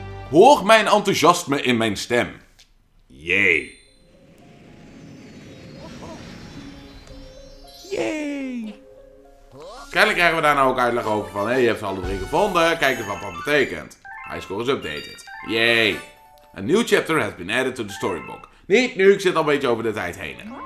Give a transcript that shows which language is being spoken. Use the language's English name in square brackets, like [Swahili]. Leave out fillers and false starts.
[Dutch] Hoor mijn enthousiasme in mijn stem. Yay! Kennelijk krijgen we daar nou ook uitleg over van, hé, je hebt ze alle drie gevonden, kijk eens wat dat betekent. [English] High score is updated. Yay! A new chapter has been added to the storybook. [Dutch] Niet nu, ik zit al een beetje over de tijd heen.